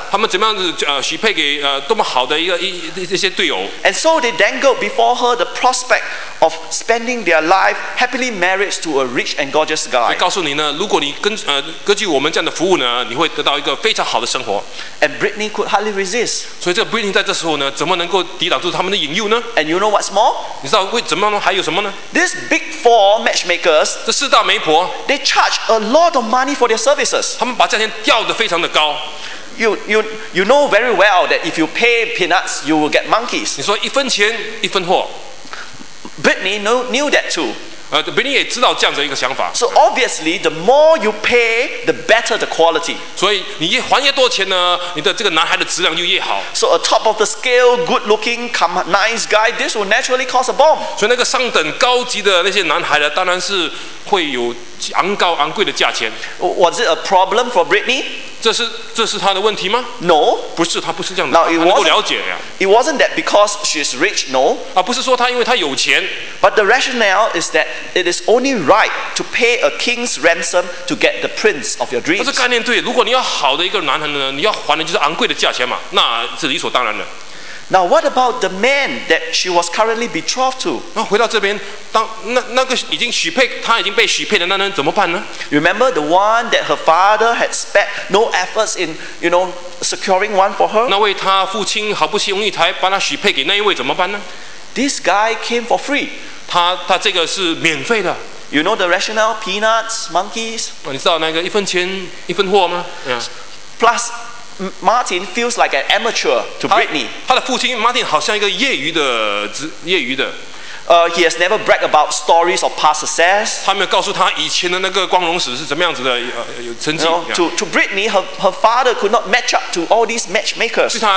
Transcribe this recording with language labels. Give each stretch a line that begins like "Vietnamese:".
Chinese: 他们怎么样子许配给多么好的一些队友。
English: And so they dangled before her the prospect of spending their life happily married to a rich and gorgeous guy.
Chinese: 告诉你呢，如果你根据我们这样的服务呢，你会得到一个非常好的生活。
English: And Brittany could hardly resist.
Chinese: 所以这个 Brittany 在这时候呢，怎么能够抵挡住他们的引诱呢
English: ？And you know what's more?
Chinese: 你知道为怎么样还有什么呢
English: ？This big four match.
Chinese: 这四大媒婆
English: ，they charge a lot of money for their services.
Chinese: 他们把价钱吊得非常的高。
English: You know very well that if you pay peanuts, you will get monkeys.
Chinese: 你说一分钱一分货。
English: Brittany knew that too.
Chinese: Brittany 也知道这样子一个想法。
English: So obviously, the more you pay, the better the quality.
Chinese: 所以你越还越多钱呢，你的这个男孩的质量就越好。
English: So a top of the scale, good-looking, nice guy, this will naturally cause a bomb.
Chinese: 所以那个上等高级的那些男孩呢，当然是会有昂高昂贵的价钱。
English: Was it a problem for Brittany?
Chinese: 这是他的问题吗
English: ？No，
Chinese: 不是，他不是这样的。Now, 他能够了解呀。
English: It wasn't that because she's rich. No，
Chinese: 啊，不是说他因为他有钱。
English: But the rationale is that it is only right to pay a king's ransom to get the prince of your dreams.
Chinese: 这概念对，如果你要好的一个男人呢，你要还的就是昂贵的价钱嘛，那是理所当然的。
English: Now, what about the man that she was currently betrothed to?
Chinese: 回到这边, 当那个已经许配，他已经被许配的那人怎么办呢？
English: Remember the one that her father had spent no efforts in, you know, securing one for her?
Chinese: 那为他父亲毫不惜用意才把他许配给那一位怎么办呢？
English: This guy came for free.
Chinese: 他这个是免费的。
English: You know the rationale, peanuts, monkeys?
Chinese: 你知道那个一分钱一分货吗？
English: Yeah. Plus, Martin feels like an amateur to Britney.
Chinese: 他的父亲 Martin 好像一个业余的。
English: He has never bragged about stories of past success.
Chinese: 他没有告诉他以前的那个光荣史是怎么样子的成绩。
English: To Britney, her father could not match up to all these matchmakers.